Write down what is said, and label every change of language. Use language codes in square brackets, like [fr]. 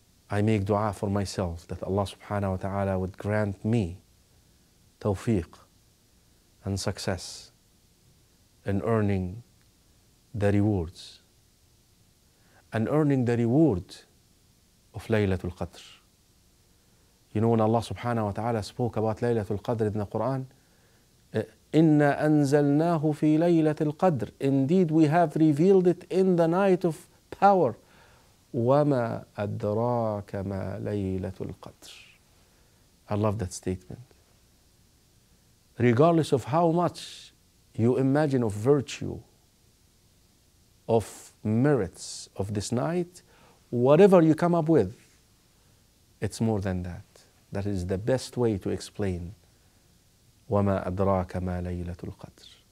[en] I make dua for myself that Allah subhanahu wa ta'ala would grant me tawfiq and success in earning the rewards and earning the reward of Laylatul Qadr. You know, when Allah subhanahu wa ta'ala spoke about Laylatul Qadr in the Quran, [ar] Inna anzalnahu fi Laylatul Qadr. [en] Indeed, we have revealed it in the night of power. [ar] وَمَا أَدْرَاكَ مَا لَيْلَةُ الْقَدْرِ. [en] I love that statement. Regardless of how much you imagine of virtue, of merits of this night, whatever you come up with, it's more than that. That is the best way to explain [ar] وَمَا أَدْرَاكَ مَا لَيْلَةُ الْقَدْرِ.